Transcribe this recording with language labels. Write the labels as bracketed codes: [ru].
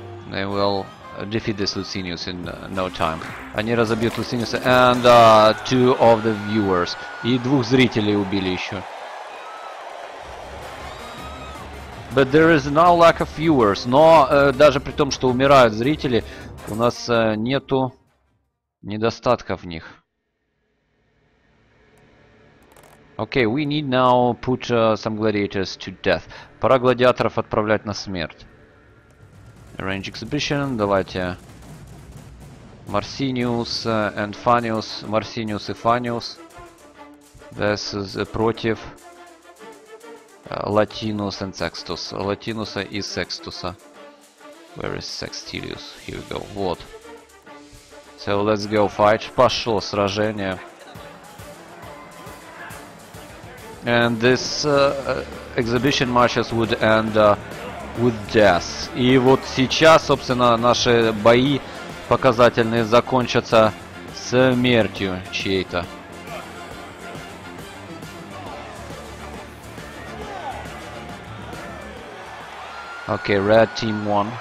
[en] They will defeat this Lucinius in no time. [ru] Они разобьют [en] Lucinius, and two of the viewers. [ru] И двух зрителей убили еще. [en] But there is no lack of viewers. [ru] Но даже при том, что умирают зрители, у нас нету недостатка в них. [en] Okay, we need now put some gladiators to death. [ru] Пора гладиаторов отправлять на смерть. [en] Arrange exhibition. [ru] Давайте. [en] Marcinius and Fannius. Marcinius и Fannius. This is против Latinus and Sextus. Latinusа и Sextusа. Where is Sextilius? Here we go. [ru] Вот. [en] So let's go fight. [ru] Пошло сражение. [en] And this exhibition matches would end with death. [ru] И вот сейчас, собственно, наши бои показательные закончатся смертью чьей-то. [en] Okay, red team won.